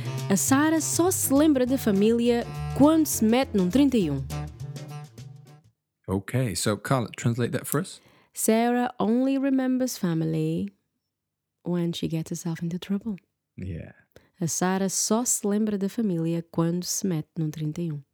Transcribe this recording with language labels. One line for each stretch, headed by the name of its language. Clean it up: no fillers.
Portuguese: A Sara só se lembra da família quando se mete num 31.
English: Okay, so Carla, translate that for us. Sarah only remembers family when she gets herself into trouble. Yeah.
Portuguese: A Sara só se lembra da família quando se mete num 31.